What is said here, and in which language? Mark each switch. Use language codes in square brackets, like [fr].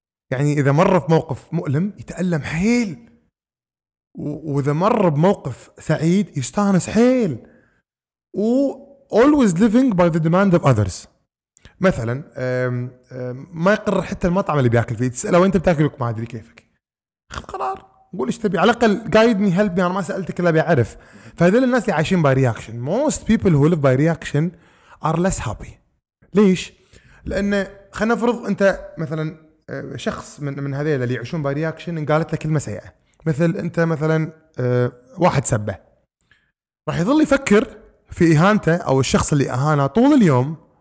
[ar] يعني إذا مر في موقف مؤلم يتألم حيل، وإذا مر بموقف سعيد يستانس حيل. [en] و always living by the demand of others. [ar] مثلا ما يقرر حتى المطعم اللي بياكل فيه، تساله وين انت بتاكلك ما ادري كيفك، خذ قرار قول ايش تبي، على الاقل [en] guide me help me, [ar] انا ما سالتك الا بيعرف. فهذول الناس اللي عايشين [en] By reaction, most people who live by reaction are less happy. [ar] ليش؟ لان خلينا نفرض انت مثلا شخص من هذول اللي يعيشون باي رياكشن، قالت لك كلمه سيئه، مثل انت مثلا واحد سبه، راح يظل يفكر في اهانته او الشخص اللي اهانه طول اليوم.